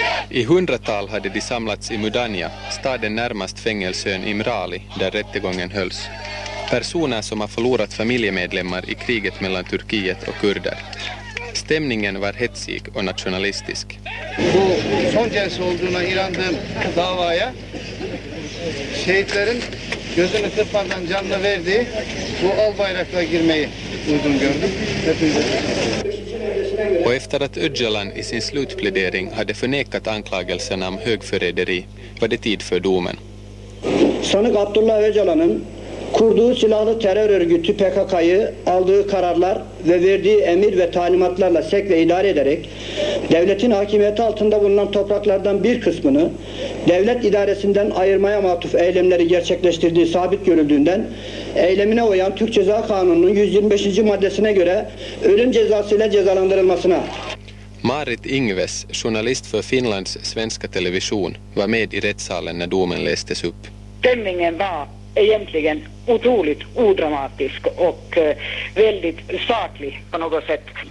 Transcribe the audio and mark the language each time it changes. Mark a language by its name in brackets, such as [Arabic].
[Swedish] I hundratal hade de samlats i Mudanya, staden närmast fängelsön Imrali, där rättegången hölls. Personer som har förlorat familjemedlemmar i kriget mellan Turkiet och kurder. Stämningen var hetsig och nationalistisk. [Turkish] Bu son celse olduğuna inandığım davaya şehitlerin gözünü kırpmadan canını verdiği bu al bayrakla girmeyi uygun gördüm. Hepinize. [Swedish] Och efter att Öcalan i sin slutplädering hade förnekat anklagelserna om högförräderi var det tid för domen. [Turkish] Sanık Abdullah Öcalan'ın kurduğu silahlı terör örgütü PKK'yı aldığı kararlar ve verdiği emir ve talimatlarla sek ve idare ederek devletin hakimiyeti altında bulunan topraklardan bir kısmını devlet idaresinden ayırmaya matuf eylemleri gerçekleştirdiği sabit görüldüğünden eylemine uyan Türk Ceza Kanunu'nun 125. maddesine göre ölüm cezasıyla cezalandırılmasına. [Swedish] Marit Ingves, journalist för Finlands svenska television, var med i rättssalen när domen lästes upp. Stämningen var egentligen otroligt odramatisk och väldigt saklig på något sätt.